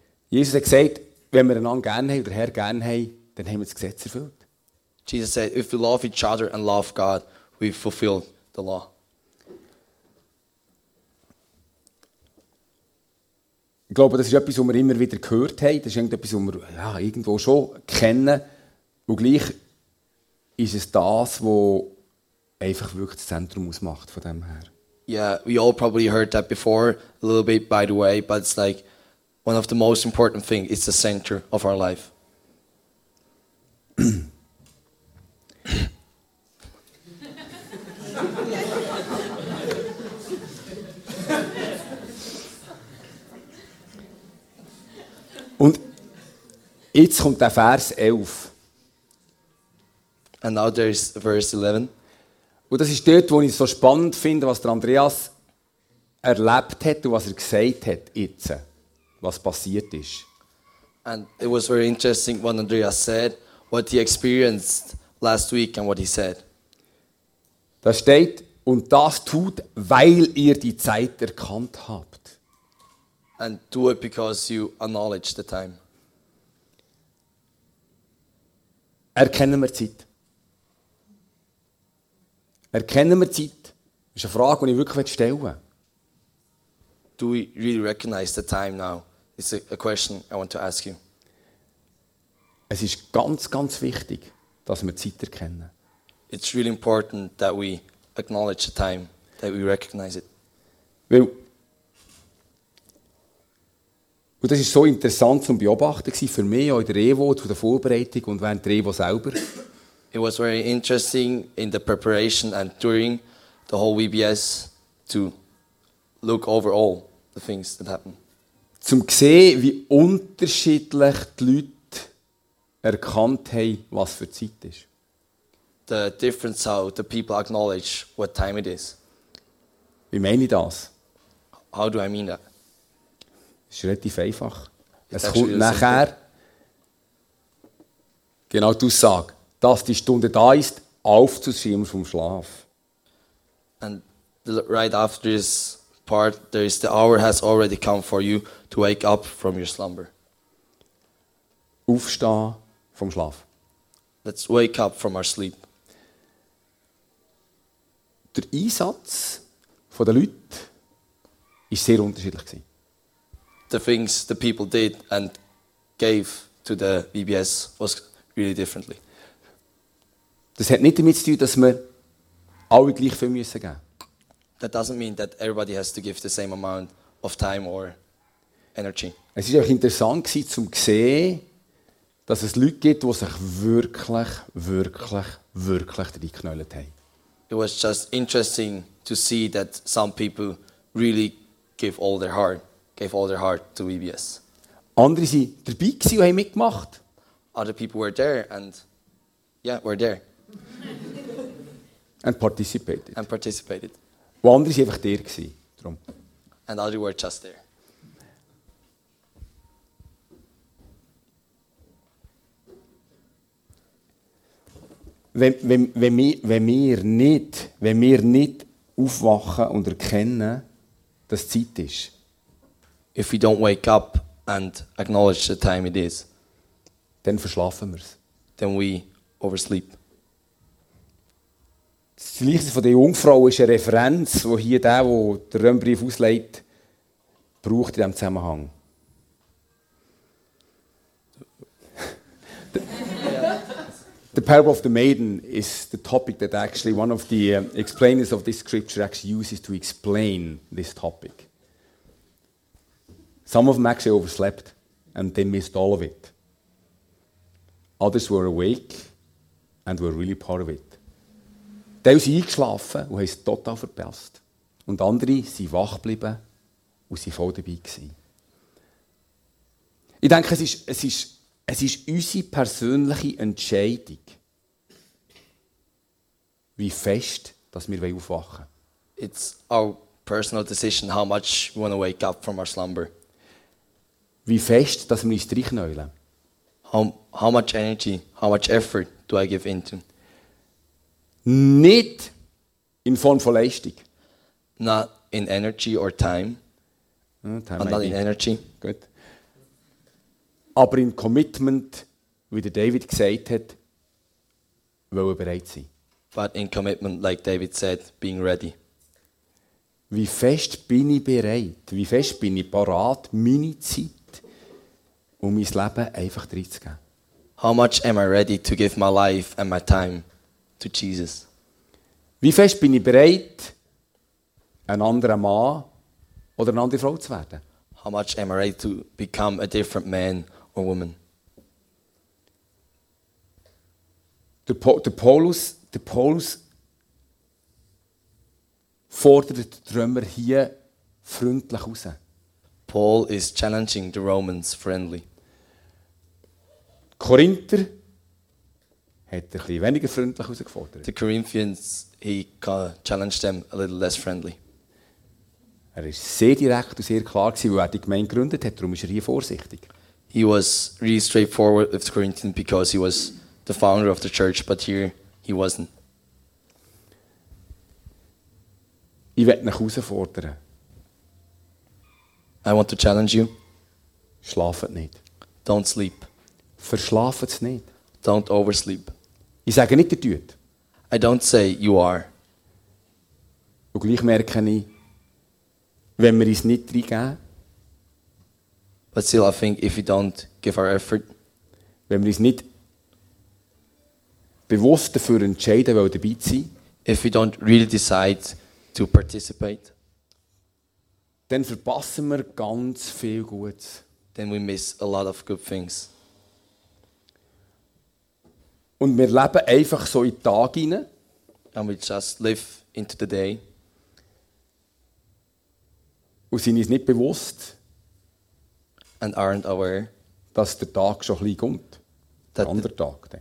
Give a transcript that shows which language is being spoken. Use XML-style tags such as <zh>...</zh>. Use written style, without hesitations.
<de>Jesus hat gesagt, wenn wir einander gern haben, oder Herr gern haben, dann haben wir das Gesetz erfüllt.</de> <en>Jesus said, if we love each other and love God, we fulfill the law.</en> <de>Ich glaube, das ist etwas, was wir immer wieder gehört haben. Das ist irgendetwas, was wir ja, irgendwo schon kennen. Und gleich ist es das, was einfach wirklich das Zentrum ausmacht von dem her.</de> <en>Yeah, we all probably heard that before, a little bit by the way, but it's like one of the most important things is the center of our life.</en> <de>Und jetzt kommt der Vers 11.</de> <en>And now there is verse 11.</en> <de>Und das ist dort, wo ich so spannend finde, was der Andreas erlebt hat und was gesagt hat jetzt, was passiert ist.</de> <en>And it was very interesting what Andreas said, what he experienced last week and what he said.</en> <de>Da steht, und das tut, weil ihr die Zeit erkannt habt.</de> <en>And do it because you acknowledge the time.</en> <de>Erkennen wir Zeit. Erkennen wir die Zeit? Das ist eine Frage, die ich wirklich stellen möchte.</de> <en>Do we really recognize the time now? It's a question I want to ask you.</en> <de>Es ist ganz, ganz wichtig, dass wir die Zeit erkennen.</de> <en>It's really important that we acknowledge the time that we recognize it.</en> <de>Weil, und das ist so interessant zum Beobachten gsi für mich auch in der Evo, zu der Vorbereitung und während der Evo selber.</de> <en>It was very interesting in the preparation and during the whole VBS to look over all the things that happened.</en> <de>Zum gseh, wie unterschiedlich die Leute erkannt haben, was für Zeit ist.</de> <en>The difference how the people acknowledge what time it is.</en> <de>Wie meine ich das?</de> <en>How do I mean that?</en> <de>Es ist relativ einfach. Es kommt nachher genau die Aussage, dass die Stunde da ist, aufzuschieben vom Schlaf.</de> <en>And right after this part, there is the hour has already come for you to wake up from your slumber.</en> <de>Aufstehen vom Schlaf.</de> <en>Let's wake up from our sleep.</en> <de>Der Einsatz von den Leuten ist sehr unterschiedlich gewesen.</de> <en>The things the people did and gave to the VBS was really differently.</en> <de>Das hat nicht damit zu tun, dass wir alle gleich viel müssen geben.</de> <en>That doesn't mean that everybody has to give the same amount of time or energy.</en> <de>Es ist auch interessant gewesen, zum sehen, dass es Leute gibt, die sich wirklich, wirklich, wirklich reingeknallt haben.</de> <en>It was just interesting to see that some people really give all their heart. Gave all their heart to VBS.</en> <de>Andere waren dabei gewesen und haben mitgemacht.</de> <en>Other people were there and yeah, were there. And participated. And participated.</en> <de>Und andere waren einfach der gewesen, drum.</de> <en>And others were just there.</en> <de>Wenn wir nicht aufwachen und erkennen, dass Zeit ist.</de> <en>If we don't wake up and acknowledge the time it is,</en> <de>dann verschlafen wir's.</de> <en>Then we oversleep.</en> <de>Das Gleiche von der Jungfrau ist eine Referenz, wo hier der, wo der Römerbrief auslegt, braucht in diesem Zusammenhang.</de> <en>The parable of the maiden is the topic that actually one of the explainers of this scripture actually uses to explain this topic. Some of them actually overslept and they missed all of it. Others were awake and were really part of it.</en> <de>Die sind eingeschlafen und haben es total verpasst. Und andere sind wach geblieben und sind voll dabei gewesen. Ich denke, es ist unsere persönliche Entscheidung, wie fest dass wir aufwachen wollen.</de> <en>It's our personal decision, how much we want to wake up from our slumber.</en> <de>Wie fest, dass wir uns reinknäulen.</de> <en>How much energy, how much effort do I give into?</en> <de>Nicht in Form von Leistung.</de> <en>Not in energy or time. Not in energy.</en> <de>Gut. Aber in commitment, wie der David gesagt hat, wollen wir bereit sein.</de> <en>But in commitment, like David said, being ready.</en> <de>Wie fest bin ich bereit? Wie fest bin ich parat, meine Zeit? Um mein Leben einfach reinzugeben.</de> <en>How much am I ready to give my life and my time to Jesus?</en> <de>Wie fest bin ich bereit, ein anderer Mann oder eine andere Frau zu werden?</de> <en>How much am I ready to become a different man or woman?</en> <de>Der Paulus fordert die Römer hier freundlich raus.</de> <en>Paul is challenging the Romans friendly.</en> <de>Korinther hat ein bisschen weniger freundlich herausgefordert.</de> <en>The Corinthians, he challenged them a little less friendly.</en> <de>Er war sehr direkt und sehr klar gewesen, weil er die Gemeinde gegründet hat, darum ist er hier vorsichtig.</de> <en>He was really straightforward with the Corinthians because he was the founder of the church, but here he wasn't.</en> <de>Ich werde nach Hause fordern.</de> <en>I want to challenge you.</en> <de>Schlafet nicht.</de> <en>Don't sleep.</en> <de>Verschlafen Sie nicht.</de> <en>Don't oversleep.</en> <de>Ich sage nicht, ihr tut.</de> <en>I don't say you are.</en> <de>Und gleich merke ich, wenn wir uns nicht reingeben.</de> <en>But still, I think if we don't give our effort.</en> <de>Wenn wir uns nicht bewusst dafür entscheiden, dabei zu sein.</de> <en>if we don't really decide to participate,</en> <de>dann verpassen wir ganz viel Gutes.</de> <en>Then we miss a lot of good things.</en> <de>Und wir leben einfach so in Tag rein.</de> <en>And we just live into the day.</en> <de>Und sind uns nicht bewusst.</de> <en>And aren't aware.</en> <de>Dass der Tag schon gleich kommt. Der andere Tag.</de>